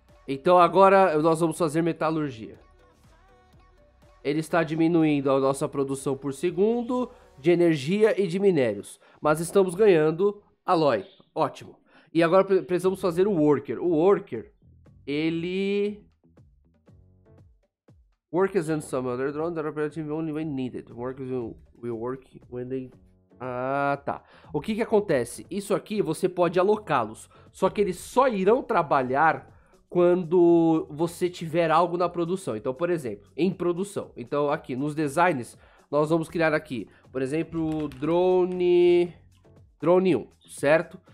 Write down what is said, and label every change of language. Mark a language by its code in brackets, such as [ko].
[pt] Então agora nós vamos fazer metalurgia. Ele está diminuindo a nossa produção por segundo de energia e de minérios. Mas estamos ganhando alloy. Ótimo. E agora precisamos fazer o worker. O worker, ele... [en] Workers and some other drones that are operative only when needed. Workers will work when they... [pt] Ah, tá. O que acontece? Isso aqui você pode alocá-los. Só que eles só irão trabalhar... quando você tiver algo na produção. Então, por exemplo, em produção. Então, aqui, nos designs, nós vamos criar aqui, por exemplo, drone 1, certo?